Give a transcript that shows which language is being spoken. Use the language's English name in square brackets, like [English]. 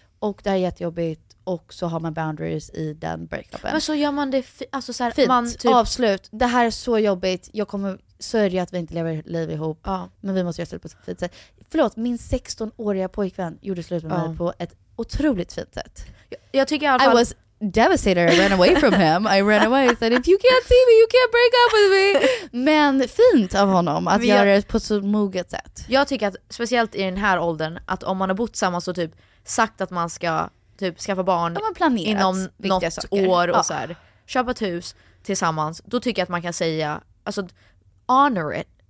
[Swedish] Och det här är jättejobbigt och så har man boundaries i den breakupen. Men så gör man det alltså så här, fint, man typ avslut. Det här är så jobbigt, jag kommer sörja att vi inte lever liv ihop. Men vi måste göra slut på ett fint sätt. Förlåt, min 16-åriga pojkvän gjorde slut med mig på ett otroligt fint sätt. Jag tycker i alla fall, [English] I was devastated, I ran away from him. I ran away and said, if you can't see me, you can't break up with me. [Swedish] Men fint av honom att göra det på så moget sätt. Jag tycker att, speciellt i den här åldern, att om man har bott samma så typ sagt att man ska typ skaffa barn inom något saker. År och så här, köpa ett hus tillsammans, då tycker jag att man kan säga, alltså, [English] honor it.